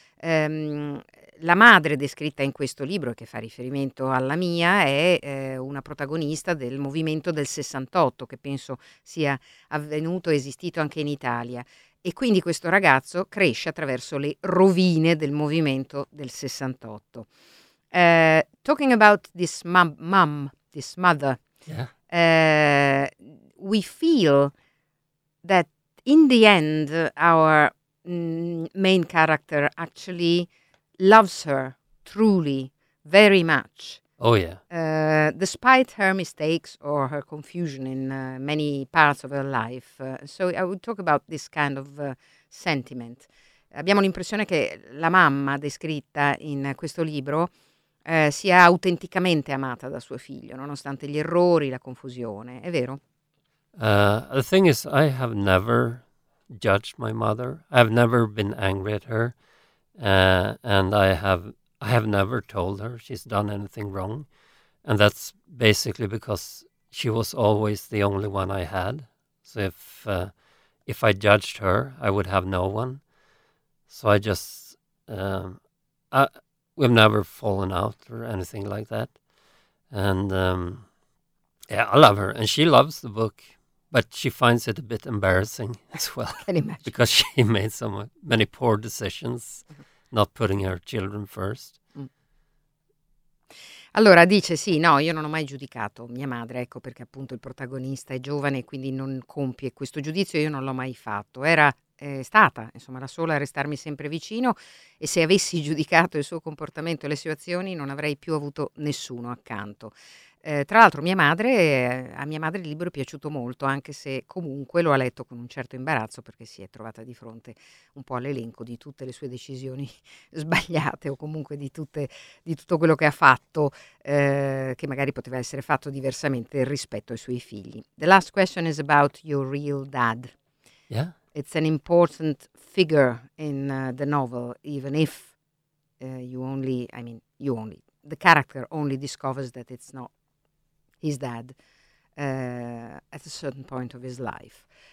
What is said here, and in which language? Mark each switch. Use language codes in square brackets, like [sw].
[it] La madre descritta in questo libro, che fa riferimento alla mia, è una protagonista del movimento del 68, che penso sia avvenuto, esistito anche in Italia. E quindi questo ragazzo cresce attraverso le rovine del movimento del 68. [en] Talking about this mom, this mother, we feel that in the end our main character actually loves her truly very much. Oh yeah. Despite her mistakes or her confusion in many parts of her life. So I would talk about this kind of sentiment. [it] Abbiamo l'impressione che la mamma descritta in questo libro sia autenticamente amata da suo figlio, nonostante gli errori, la confusione. È vero? [en] The thing is, I have never judged my mother. I've never been angry at her. And I have never told her she's done anything wrong. And that's basically because she was always the only one I had. So if I judged her, I would have no one. So I just, we've never fallen out or anything like that. And yeah, I love her. And she loves the book. But she finds it a bit embarrassing as well. Can imagine. Because she made so many poor decisions, not putting her children first. [it] Allora dice, sì, no, io non ho mai giudicato mia madre, ecco perché appunto il protagonista è giovane e quindi non compie questo giudizio, io non l'ho mai fatto. Era stata, insomma, la sola a restarmi sempre vicino e se avessi giudicato il suo comportamento e le sue azioni non avrei più avuto nessuno accanto. Tra l'altro a mia madre il libro è piaciuto molto, anche se comunque lo ha letto con un certo imbarazzo perché si è trovata di fronte un po' all'elenco di tutte le sue decisioni sbagliate o comunque di tutto quello che ha fatto, che magari poteva essere fatto diversamente rispetto ai suoi figli. [en] The last question is about your real dad. Yeah. It's an important figure in the novel, even if the character only discovers that it's not his dad, at a certain point of his life.